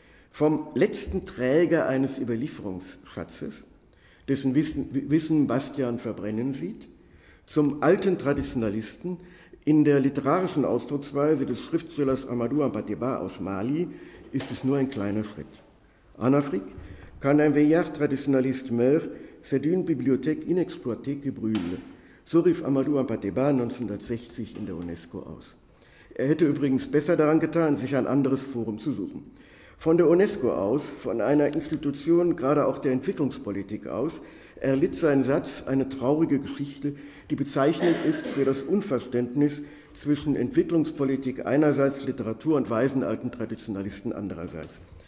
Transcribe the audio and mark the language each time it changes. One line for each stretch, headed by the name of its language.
German: Vom letzten Träger eines Überlieferungsschatzes, dessen Wissen Bastian verbrennen sieht, zum alten Traditionalisten, in der literarischen Ausdrucksweise des Schriftstellers Amadou Ampatéba aus Mali ist es nur ein kleiner Schritt.
French: En Afrique, quand un vieillard traditionaliste meurt, c'est une bibliothèque inexploitée qui brûle.
German: So rief Amadou Ampatéba 1960 in der UNESCO aus. Er hätte übrigens besser daran getan, sich ein anderes Forum zu suchen. Von der UNESCO aus, von einer Institution, gerade auch der Entwicklungspolitik aus, erlitt sein Satz eine traurige Geschichte, die bezeichnend ist für das Unverständnis zwischen Entwicklungspolitik einerseits, Literatur und weisen alten Traditionalisten andererseits.